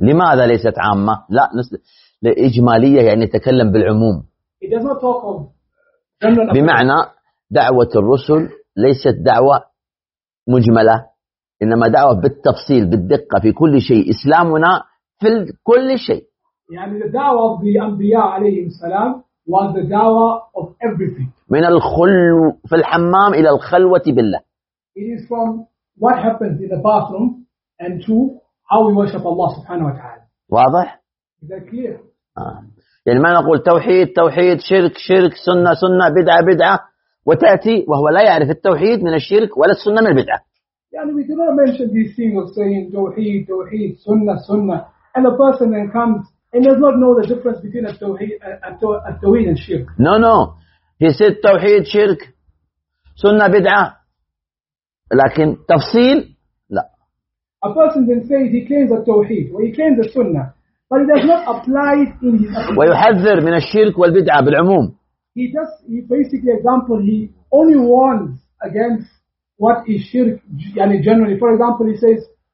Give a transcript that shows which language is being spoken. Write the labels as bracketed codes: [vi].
[ar] لماذا ليست عامة؟ لا إجمالية يعني تكلم بالعموم. [en] It does not talk of general. [ar] بمعنى دعوة الرسل ليست دعوة مجملة إنما دعوة بالتفصيل بالدقة في كل شيء إسلامنا في كل شيء. يعني [en] the da'wah of the Anbiya عليهم السلام was the da'wah of everything. [ar] من الخلو في الحمام إلى الخلوة بالله. [en] It is from what happens in the bathroom and to how we worship Allah سبحانه وتعالى. [ar] واضح؟ [en] Is that clear? [ar] يعني ما نقول توحيد توحيد شرك شرك سنة سنة بدعة بدعة وتأتي وهو لا يعرف التوحيد من الشرك ولا السنة من البدعة. يعني [en] we do not mention these things of saying [ar] توحيد توحيد سنة سنة [en] and a person then comes and does not know the difference between a tawheed and shirk. No, no. He said tawheed, shirk, sunnah, bid'ah. [ar] لكن تفصيل لا. [en] A person then says he claims a tawheed, or he claims a sunnah, but he does not apply it in his. [ar] ويحذر من الشرك والبدعة بالعموم. [en] He basically example he only warns against what is shirk, [ar] يعني [en] generally. For example, he says.